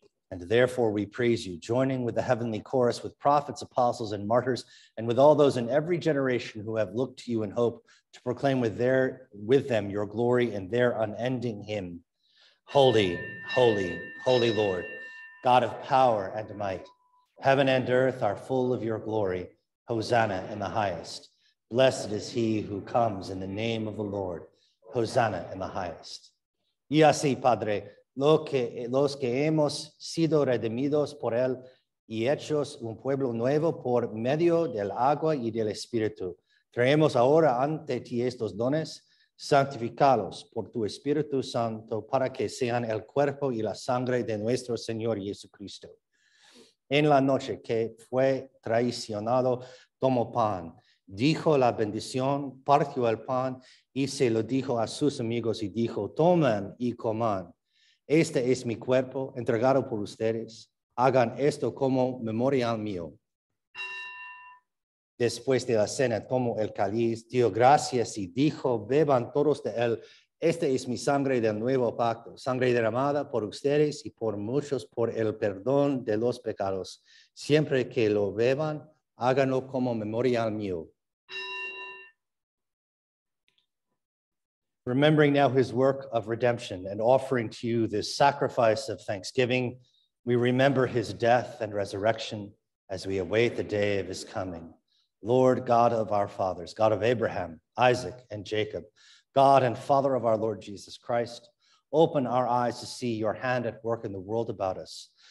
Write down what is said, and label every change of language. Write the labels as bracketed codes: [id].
[en] And therefore we praise you, joining with the heavenly chorus, with prophets, apostles, and martyrs, and with all those in every generation who have looked to you in hope to proclaim with them your glory and their unending hymn. Holy, holy, holy Lord, God of power and might, heaven and earth are full of your glory. Hosanna in the highest. Blessed is he who comes in the name of the Lord. Hosanna in the highest. [es] Y así, Padre, los que hemos sido redimidos por él y hechos un pueblo nuevo por medio del agua y del espíritu, traemos ahora ante ti estos dones, santificalos por tu espíritu santo para que sean el cuerpo y la sangre de nuestro Señor Jesucristo. En la noche que fue traicionado, tomó pan, dijo la bendición, partió el pan y se lo dijo a sus amigos y dijo, tomen y coman. Este es mi cuerpo, entregado por ustedes. Hagan esto como memorial mío. Después de la cena, tomó el cáliz, dio gracias y dijo, beban todos de él. Este es mi sangre del nuevo pacto, sangre derramada por ustedes y por muchos por el perdón de los pecados. Siempre que lo beban, háganlo como memorial mío. [en] Remembering now his work of redemption and offering to you this sacrifice of thanksgiving, we remember his death and resurrection as we await the day of his coming. Lord God of our fathers, God of Abraham, Isaac, and Jacob, God and Father of our Lord Jesus Christ, open our eyes to see your hand at work in the world about us.